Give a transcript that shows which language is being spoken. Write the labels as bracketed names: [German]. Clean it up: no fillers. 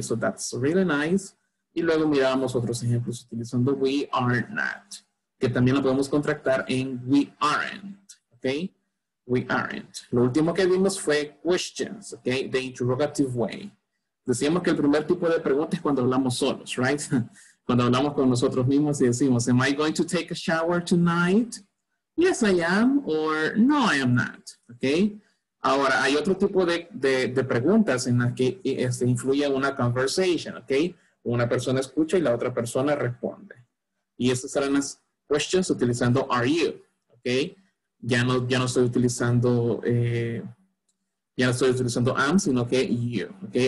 [English] So that's really nice. [Spanish] Y luego mirábamos otros ejemplos utilizando we are not, que también lo podemos contractar en we aren't, ¿ok? We aren't. Lo último que vimos fue questions, ¿ok? [English] The interrogative way. [Spanish] Decíamos que el primer tipo de pregunta es cuando hablamos solos, ¿right? cuando hablamos con nosotros mismos y decimos, [English] am I going to take a shower tonight? Yes, I am, or no, I am not, okay? [Spanish] Ahora, hay otro tipo de preguntas en las que este, influye una conversation, okay? Una persona escucha y la otra persona responde. Y estas serán las questions utilizando are you, okay? Ya no estoy utilizando, ya no estoy utilizando am, sino que you, okay?